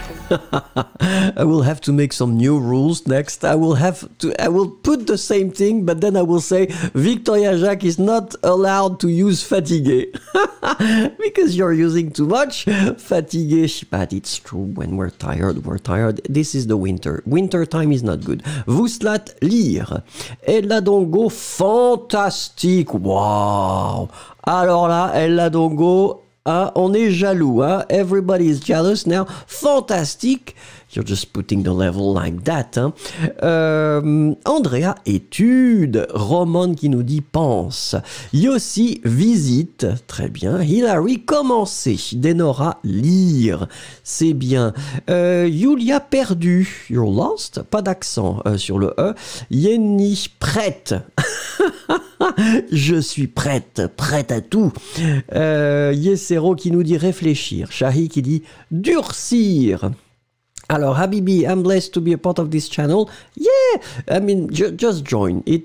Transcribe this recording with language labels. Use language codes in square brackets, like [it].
[en] I will have to make some new rules next. I will put the same thing, but then I will say Victoria Jacques is not allowed to use fatigué. Because you're using too much fatigué. But it's true, when we're tired, we're tired. This is the winter. Winter time is not good. Vous slat lire. [fr] Elle a donc go fantastique. Wow. Alors là, elle a donc go Ah, on est jaloux, hein? [en] Everybody is jealous now. Fantastic. You're just putting the level like that, hein? [fr] Andrea étude. Roman qui nous dit pense. Yossi visite. Très bien. Hilary commencer. Denora lire. C'est bien. Julia perdu. [en] You're lost. [fr] Pas d'accent sur le E. Yenny prête. Je suis prête, prête à tout. Yesero qui nous dit réfléchir. Shahi qui dit durcir. [en] Alors, Habibi, I'm blessed to be a part of this channel. Yeah, I mean, just join.